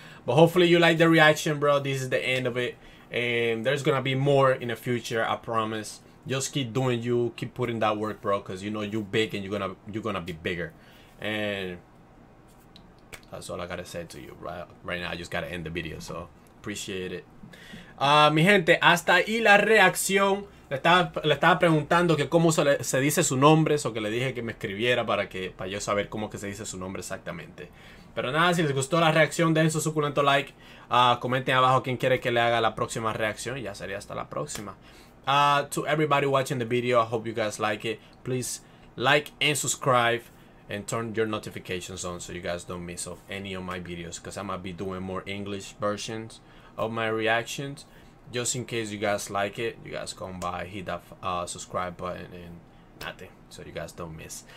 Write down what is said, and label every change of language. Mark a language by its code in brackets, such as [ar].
[en] But hopefully you like the reaction, bro. This is the end of it. And there's gonna be more in the future, I promise. Just keep doing you. Keep putting that work, bro, because you know you're big and you're gonna be bigger. And that's all I gotta say to you right now. I just gotta end the video, so appreciate it. [es] Mi gente, hasta ahí la reacción. Le estaba preguntando que cómo se dice su nombre, eso que le dije que me escribiera para yo saber cómo que se dice su nombre exactamente. Pero nada, si les gustó la reacción, den su suculento like. Comenten abajo quién quiere que le haga la próxima reacción y ya sería hasta la próxima. [en] To everybody watching the video, I hope you guys like it. Please like and subscribe. And turn your notifications on so you guys don't miss off any of my videos. Because I'm going to be doing more English versions of my reactions. Just in case you guys like it, you guys come by, hit that subscribe button and nothing. So you guys don't miss.